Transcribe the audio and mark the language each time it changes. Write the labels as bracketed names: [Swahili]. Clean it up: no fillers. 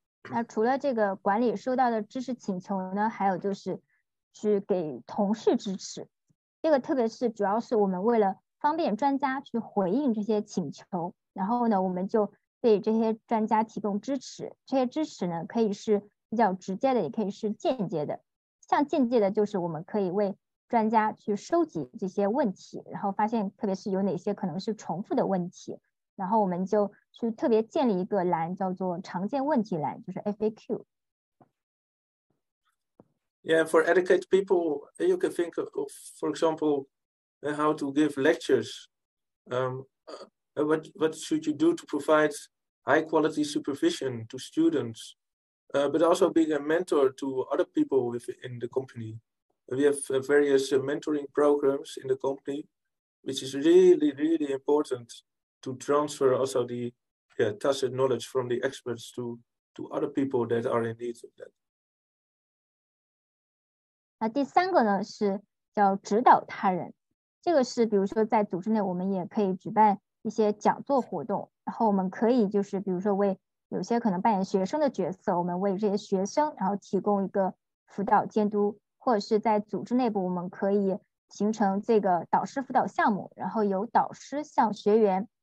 [Chinese] 那除了这个管理收到的知识请求呢，还有就是去给同事支持，这个特别是主要是我们为了方便专家去回应这些请求，然后呢我们就对这些专家提供支持，这些支持呢可以是比较直接的也可以是间接的，像间接的就是我们可以为专家去收集这些问题，然后发现特别是有哪些可能是重复的问题，然后我们就去特别建立一个栏叫做常见问题栏，就是 FAQ. [English] Yeah, for educated people, you can think of, for example, how to give lectures. What should you do to provide high quality supervision to students? But also being a mentor to other people within the company. We have various mentoring programs in the company, which is really, really important. To transfer also the tacit knowledge from the experts to other people that are in need of that. [Chinese] 那第三个呢是叫指导他人，这个是比如说在组织内我们也可以举办一些讲座活动，然后我们可以就是比如说为有些可能扮演学生的角色，我们为这些学生然后提供一个辅导监督，或者是在组织内部我们可以形成这个导师辅导项目，然后由导师向学员。